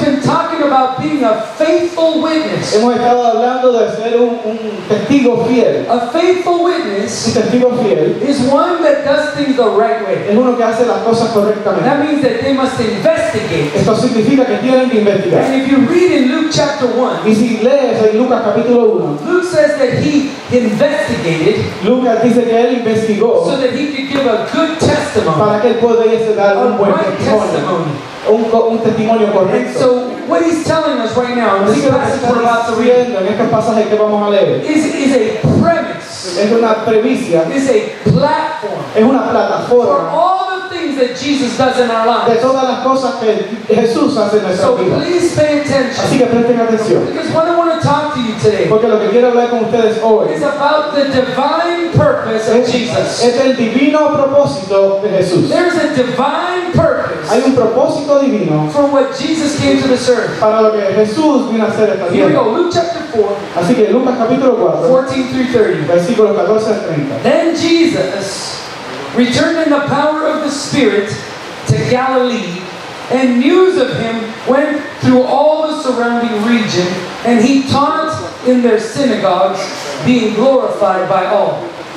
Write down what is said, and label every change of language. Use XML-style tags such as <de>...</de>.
<en>We've been talking about being a faithful witness.</en> <es>Hemos estado hablando de ser un testigo fiel.</es> <en>A faithful witness.</en> <es>Un testigo fiel.</es> <en>Is one that does things the right way.</en> <es>Es uno que hace las cosas correctamente.</es> <en>That means that they must investigate.</en> <es>Esto significa que tienen que investigar.</es> <en>And if you read in Luke chapter 1.</en> <es>Y si lees en Lucas capítulo 1.</es> <en>Luke says that he investigated.</en> <es>Lucas dice que él investigó.</es> <en>So that he could give a good testimony.</en> <es>Para que él pudiese dar un testimonio correcto.</es> <en>So what he's telling us right now, this passage we're about to read, is a premise.</en> <es>Es una premisa.</es> <en>Is a platform.</en> <es>Es una plataforma.</es> <en>That Jesus does in our lives.</en> <es>De todas las cosas que Jesús hace en nuestra vida.</es> <en>So please pay attention.</en> <es>Así que presten atención.</es> <en>Because what I want to talk to you today.</en> <es>Porque lo que quiero hablar con ustedes hoy.</es> <en>Is about the divine purpose of Jesus.</en> <es>Es el divino propósito de Jesús.</es> <en>There's a divine purpose.</en> <es>Hay un propósito divino.</es> <en>For what Jesus came to this earth.</en> <es>Para lo que Jesús vino a hacer esta tierra.</es> <en>Here we go. Luke chapter 4.</en> <es>Así que Lucas capítulo 4.</es> <en>14 through 30.</en> <es>Versículo 14 al 30.</es> <en>Then Jesus returned in the power of the Spirit to Galilee, and news of him went through all the surrounding region, and he taught in their synagogues, being glorified by all.</en>